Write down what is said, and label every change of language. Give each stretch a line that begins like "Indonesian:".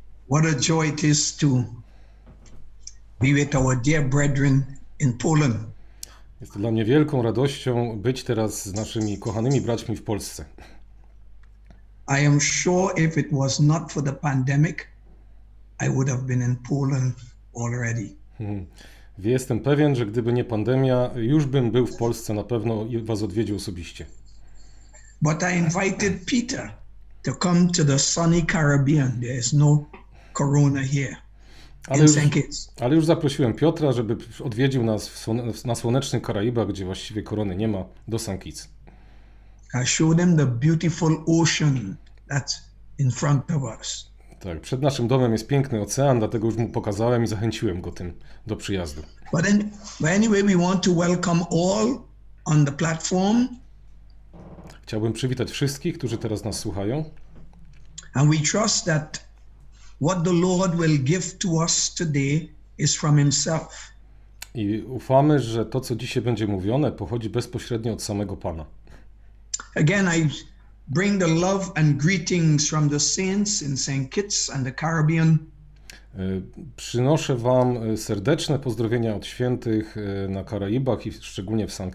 English: What a joy it is to be with our dear brethren in Poland.
Polish: Jest to dla mnie wielką radością być teraz z naszymi kochanymi braćmi w Polsce.
English: I am sure if it was not for the pandemic, I would have been in Poland already.
Polish: Jestem pewien, że gdyby nie pandemia, już bym był w Polsce, na pewno was odwiedził osobiście.
English: But I invited Peter to come to the sunny Caribbean. There is no corona here.
Polish: Ale już zaprosiłem Piotra, żeby odwiedził nas na słonecznych Karaibach, gdzie właściwie korony nie ma, do St. Kitts.
English: I showed him the beautiful ocean that's in front of us.
Polish: Tak, przed naszym domem jest piękny ocean, dlatego już mu pokazałem i zachęciłem go tym do przyjazdu.
English: But anyway, we want to welcome all on the platform.
Polish: Chciałbym przywitać wszystkich, którzy teraz nas słuchają.
English: And we trust that what the Lord will give to us today is from Himself.
Polish: I ufamy, że to, co dzisiaj będzie mówione, pochodzi bezpośrednio od samego Pana.
English: Again, I bring the love and greetings from the saints in St. Kitts and the Caribbean.
Polish: Przynoszę wam serdeczne pozdrowienia od świętych na Karaibach i szczególnie w St.